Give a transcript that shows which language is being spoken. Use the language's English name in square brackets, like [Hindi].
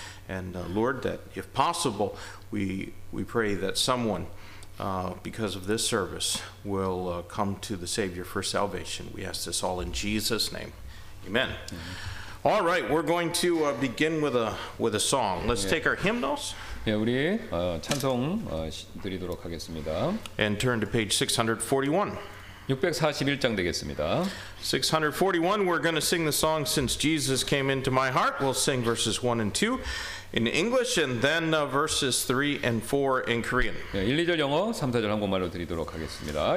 [English] And Lord, that if possible, we pray that someone because of this service, will come to the Savior for salvation. We ask this all in Jesus' name. Amen. Mm-hmm. All right, we're going to begin with a song. Let's take our hymnals. [Korean] 예, 우리 찬송 드리도록 하겠습니다. [English] And turn to page 641. [Korean] 641장 되겠습니다. [English] 641, we're going to sing the song Since Jesus Came Into My Heart. We'll sing verses 1 and 2. In English, and then verses 3 and 4 in Korean. [Korean] 예, 1, 2절 영어, 3, 4절 한국말로 드리도록 하겠습니다.